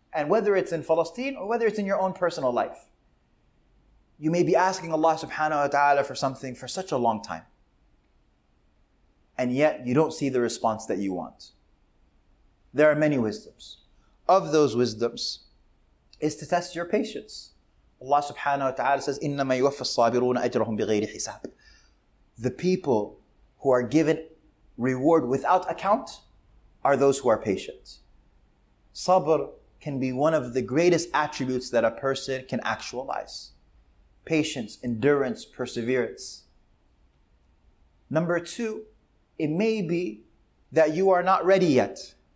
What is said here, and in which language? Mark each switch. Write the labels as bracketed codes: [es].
[en] And whether it's in Palestine or whether it's in your own personal life, you may be asking Allah subhanahu wa ta'ala for something for such a long time, and yet you don't see the response that you want. There are many wisdoms. Of those wisdoms is to test your patience. Allah subhanahu wa ta'ala says, [ar] إِنَّمَا يُوَفَّى الصَّابِرُونَ أَجْرَهُمْ بِغَيْرِ حِسَابٍ. [en] The people who are given reward without account are those who are patient. Sabr can be one of the greatest attributes that a person can actualize. Patience, endurance, perseverance. Number two, it may be that you are not ready yet.